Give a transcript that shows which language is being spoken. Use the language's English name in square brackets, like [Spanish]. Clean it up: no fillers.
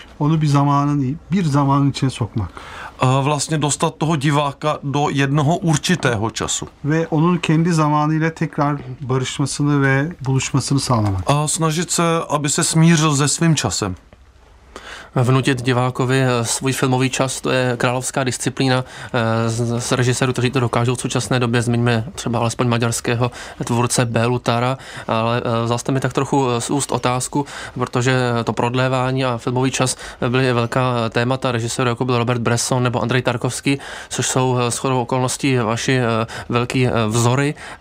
[Turkish] Onu bir zamanın içine sokmak. [Czech] Vlastně dostat toho diváka do jednoho určitého času. [Turkish] Ve onun kendi zamanıyla tekrar barışmasını ve buluşmasını sağlamak. [Czech] Snažit se, aby se smířil se svým časem. Vnutit divákovi svůj filmový čas, to je královská disciplína z režisérů, kteří to dokážou v současné době, zmiňme třeba alespoň maďarského tvůrce Bélu Tara, ale zaste mi tak trochu z úst otázku, protože to prodlévání a filmový čas byly velká témata režisérů, jako byl Robert Bresson nebo Andrej Tarkovský, což jsou shodou okolností vaši velký vzory.